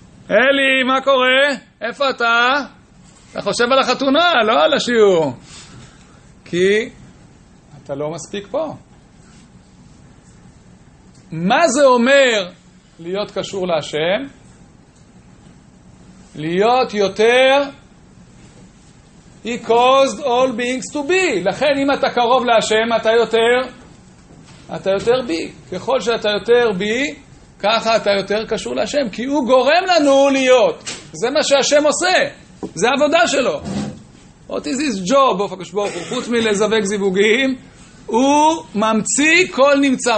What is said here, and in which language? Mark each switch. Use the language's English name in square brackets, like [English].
[Hebrew] אלי, מה קורה? איפה אתה? אתה חושב על החתונה, לא על השיעור. כי אתה לא מספיק פה. מה זה אומר להיות קשור להשם? להיות יותר [English] he caused all beings to be. [Hebrew] לכן אם אתה קרוב להשם, אתה יותר בי. ככל שאתה יותר בי, ככה אתה יותר קשור להשם, כי הוא גורם לנו להיות. זה מה שהשם עושה, זה עבודה שלו. [English] What is his job? [Hebrew] אופק השבור, חוץ מלזווג זיווגים, הוא ממציא כל נמצא.